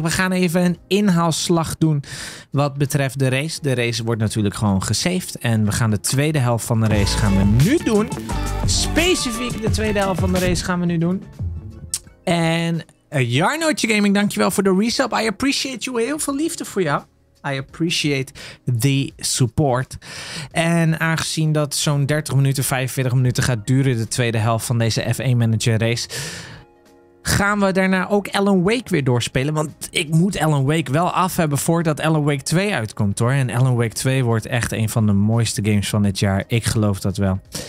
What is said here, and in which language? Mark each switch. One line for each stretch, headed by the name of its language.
Dutch: We gaan even een inhaalslag doen wat betreft de race. De race wordt natuurlijk gewoon gesaved en we gaan de tweede helft van de race gaan we nu doen. Specifiek de tweede helft van de race gaan we nu doen. En Jarnootje Gaming, dankjewel voor de resub.
English: I appreciate you.
Dutch: Heel veel liefde voor jou.
English: I appreciate the support.
Dutch: En aangezien dat zo'n 30 minuten, 45 minuten gaat duren, de tweede helft van deze F1 Manager race, gaan we daarna ook Alan Wake weer doorspelen. Want ik moet Alan Wake wel af hebben voordat Alan Wake 2 uitkomt, hoor. En Alan Wake 2 wordt echt een van de mooiste games van dit jaar. Ik geloof dat wel.